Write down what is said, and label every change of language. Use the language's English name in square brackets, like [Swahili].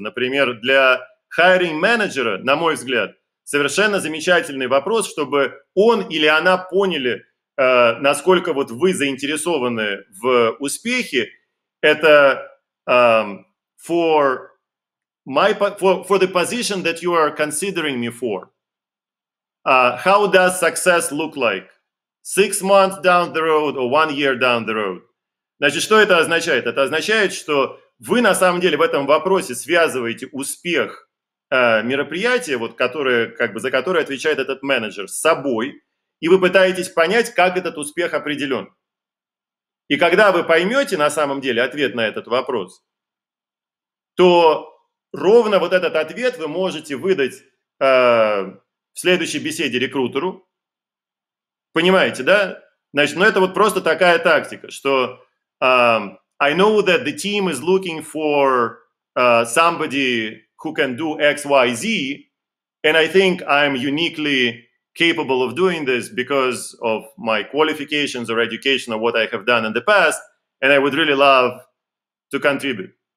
[Russian] Например, для hiring менеджера, на мой взгляд, совершенно замечательный вопрос, чтобы он или она поняли, насколько вот вы заинтересованы в успехе, это [English] for the position that you are considering me for. How does success look like? 6 months down the road or 1 year down the road? [Russian] Значит, что это означает? Это означает, что вы на самом деле в этом вопросе связываете успех мероприятия, вот, которое, как бы, за которое отвечает этот менеджер, с собой, и вы пытаетесь понять, как этот успех определен. И когда вы поймете на самом деле ответ на этот вопрос, то ровно вот этот ответ вы можете выдать в следующей беседе рекрутеру. Понимаете, да? Значит, ну это вот просто такая тактика, что [English] I know that the team is looking for somebody who can do X, Y, Z, and I think I'm uniquely capable of doing this because of my qualifications or education or what I have done in the past, and I would really love to contribute.